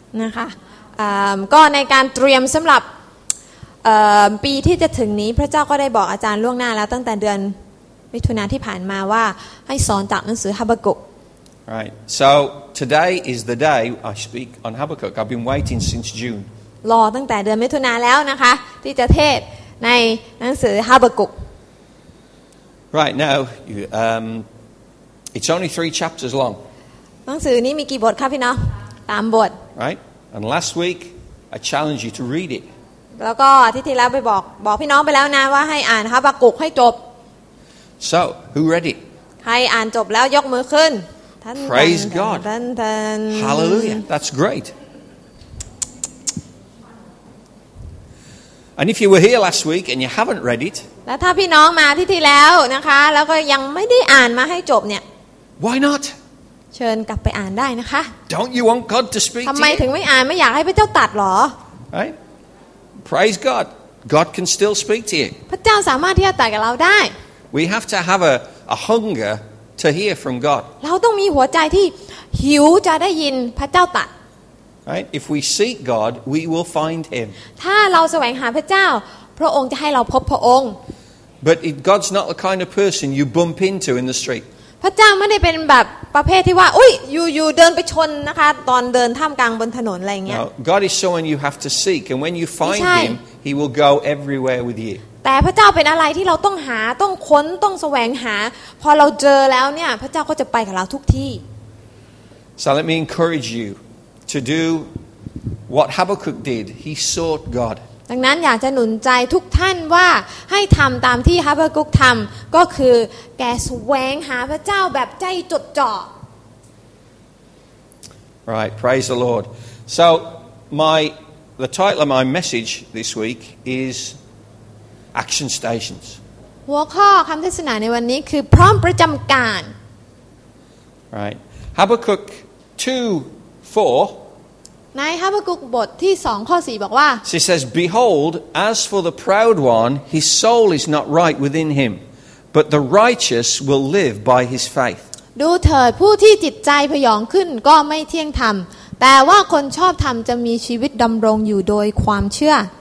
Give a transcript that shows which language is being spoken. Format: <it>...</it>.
<th>นะคะก็ในการเตรียมสำหรับปีที่จะถึงนี้พระเจ้าก็ได้บอกอาจารย์ล่วงหน้าแล้วตั้งแต่เดือนมิถุนาที่ผ่านมาว่าให้สอนจากหนังสือฮาบากุก</th> <en>Right so today is the day I speak on Habakkuk I've been waiting since June</en> <th>รอตั้งแต่เดือนมิถุนาแล้วนะคะที่จะเทศในหนังสือฮาบากุก</th> <en>Right now you, it's only 3 chapters long</en> <th>หนังสือนี้มีกี่บทคะพี่น้องตามบท</th> <en>Right and last week I challenged you to read it</en> <th>แล้วก็ที่ที่แล้วไปบอกพี่น้องไปแล้วนะว่าให้อ่านฮาบากุกให้จบ</th> <en>So who read it</en> <th>ใครอ่านจบแล้วยกมือขึ้น</th> <en>Praise God Hallelujah That's great And if you were here last week and you haven't read it</en> <th>แล้วถ้าพี่น้องมาที่ที่แล้วนะคะแล้วก็ยังไม่ได้อ่านมาให้จบเนี่ย</th> <en>Why not</en> <th>เชิญกลับไปอ่านได้นะคะ</th> <en>Don't you want God to speak</en> <th>ทำไมถึงไม่อ่านไม่อยากให้พระเจ้าตัดหรอ</th> <en>ไอPraise God. God can still speak to you.</en> <th>พระเจ้าสามารถที่จะตัดกับเราได้</th> <en>We have to have a hunger to hear from God.</en> <th>เราต้องมีหัวใจที่หิวจะได้ยินพระเจ้าตัด</th> <en>Right? If we seek God, we will find Him.</en> <th>ถ้าเราแสวงหาพระเจ้าพระองค์จะให้เราพบพระองค์</th> <en>But God's not the kind of person you bump into in the street.</en> <th>พระเจ้าไม่ได้เป็นแบบประเภทที่ว่าอุ๊ยอยู่เดินไปชนนะคะตอนเดินท่ามกลางบนถนนอะไรเงี้ย</th> <en>No, God is someone you have to seek and when you find him he will go everywhere with you</en> <th>แต่พระเจ้าเป็นอะไรที่เราต้องหาต้องค้นต้องแสวงหาพอเราเจอแล้วเนี่ยพระเจ้าก็จะไปกับเราทุกที่</th> <en>So let me encourage you to do what Habakkuk did he sought God</en> <th>ดังนั้นอยากจะหนุนใจทุกท่านว่าให้ทําตามที่ฮาบากุกทําก็คือแกแสวงหาพระเจ้าแบบใจจดจ่อ</th> <en>Right, praise the Lord. So, the title of my message this week is Action Stations.</en> <th>หัวข้อคำเทศนาในวันนี้คือพร้อมประจำการ</th> <en>Right. Habakkuk 2:4</en> <th>ในฮาบากุกบทที่2ข้อ4บอกว่า</th> <en>She says, Behold, as for the proud one, his soul is not right within him, but the righteous will live by his faith.</en> <th>ดูเถิดผู้ที่จิตใจผยองขึ้นก็ไม่เที่ยงธรรมแต่ว่าคนชอบธรรมจะมีชีวิตดำรงอยู่โดยความเชื่อ</th>